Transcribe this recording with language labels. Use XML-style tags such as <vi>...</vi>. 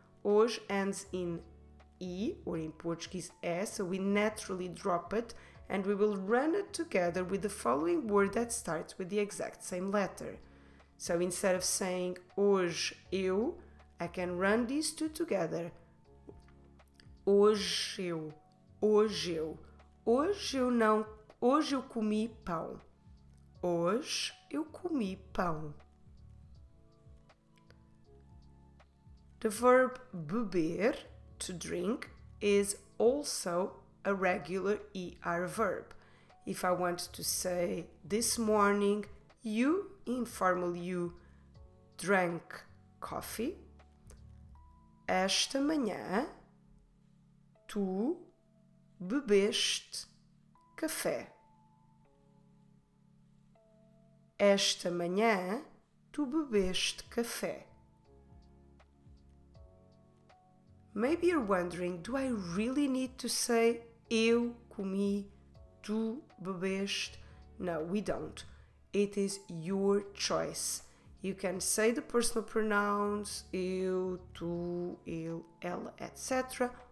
<en>Hoje ends in e, or in Portuguese s, so we naturally drop it. And we will run it together with the following word that starts with the exact same letter. So instead of saying</en> <pt>hoje eu,</pt> <en>I can run these two together.</en> <pt>Hoje eu, hoje eu, hoje eu não, hoje eu comi pão. Hoje eu comi pão.</pt> <en>The verb beber, to drink, is also a regular ER verb. If I want to say this morning you, informal you, drank coffee,</en> <pt>esta manhã tu bebeste café. Esta manhã tu bebeste café.</pt> <en>Maybe you're wondering, do I really need to say</en> <pt>eu comi, tu bebeste?</pt> <en>No, we don't. It is your choice. You can say the personal pronouns, eu, tu, il, ela, etc.</en>